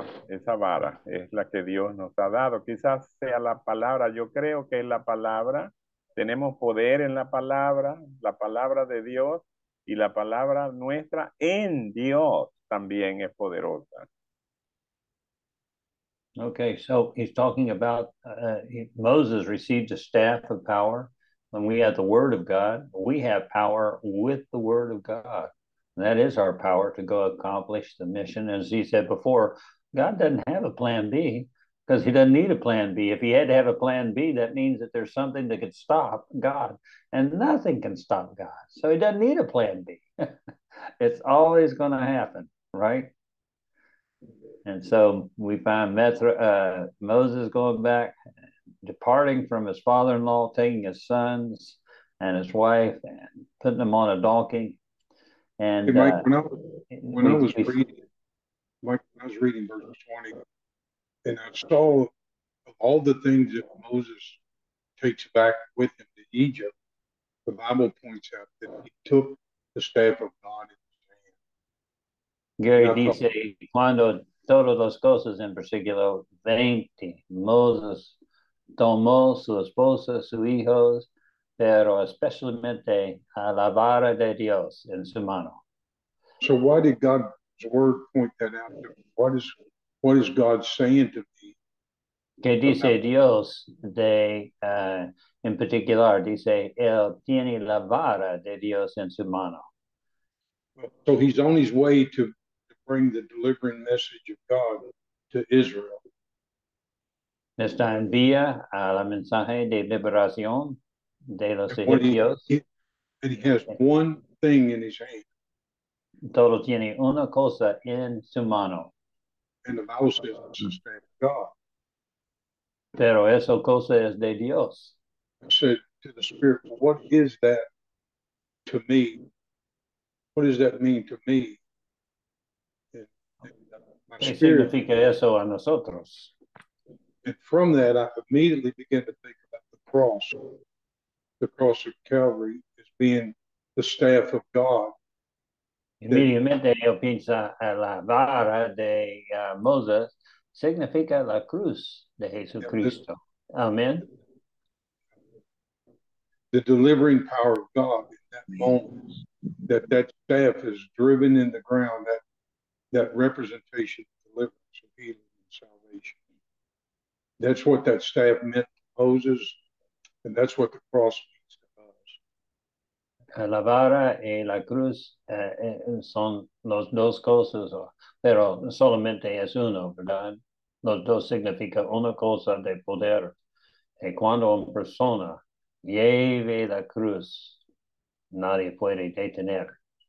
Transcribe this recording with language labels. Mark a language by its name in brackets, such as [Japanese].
[Spanish] Esa vara es la que Dios nos ha dado. Quizás sea la palabra. Yo creo que es la palabra. Tenemos poder en la palabra de Dios, y la palabra nuestra en Dios también es poderosa. [English] Okay, so he's talking about Moses received a staff of power. When we have the word of God, we have power with the word of God. That is our power to go accomplish the mission. As he said before, God doesn't have a plan B because he doesn't need a plan B. If he had to have a plan B, that means that there's something that could stop God, and nothing can stop God. So he doesn't need a plan B. It's always going to happen, right? And so we find Moses going back, departing from his father-in-law, taking his sons and his wife and putting them on a donkey. And hey, Mike, when I was reading verse 20, and I saw all the things that Moses takes back with him to Egypt, the Bible points out that he took the staff of God in his hand. [Spanish] Gary dice, cuando todo las cosas en versículo 20, Moses tomó su esposa, su hijos, pero especialmente a la vara de Dios en su mano. [English] So why did God's word point that out? What is God saying to me? [Spanish] Que dice Dios de, en particular, dice, él tiene la vara de Dios en su mano. [English] So he's on his way to bring the delivering message of God to Israel. [Spanish] Está en vía a la mensaje de liberación de los egipcios. [English] And he has one thing in his hand. [Spanish] Todo tiene una cosa en su mano. [English] And the Bible says it's the staff of God. [Spanish] Pero esa cosa es de Dios. [English] I said to the Spirit, what is that to me? What does that mean to me? My [Spanish] ¿Qué [English] spirit, [Spanish] significa eso a nosotros? [English] And from that, I immediately began to think about the cross of Calvary as being the staff of God. [Spanish] Inmediatamente yo pienso a la vara de Moses, significa la cruz de Jesucristo. Amen. [English] The delivering power of God in that moment, that staff is driven in the ground, that representation of deliverance and healing and salvation. That's what that staff meant to Moses, and that's what the cross meant. [Spanish] La vara y la cruz son los dos cosas, pero solamente es uno, ¿verdad? Los dos significa una cosa de poder. Y cuando una persona lleve la cruz, nadie puede detener.